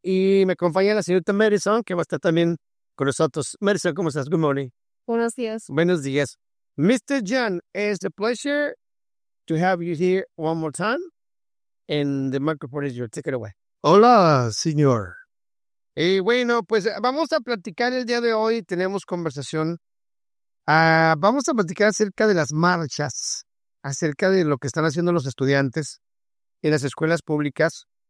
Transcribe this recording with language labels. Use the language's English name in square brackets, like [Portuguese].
[Spanish] Y me acompaña la señorita Madison, que va a estar también con nosotros. Madison, ¿cómo estás? [English] Good morning. [Spanish] Buenos días. Buenos días. Mr. [English] John, it's a pleasure to have you here one more time. And the microphone is yours. Take it away. [Spanish] Hola, señor. Y bueno, pues vamos a platicar el día de hoy. Tenemos conversación. Vamos a platicar acerca de las marchas, acerca de lo que están haciendo los estudiantes en las escuelas públicas.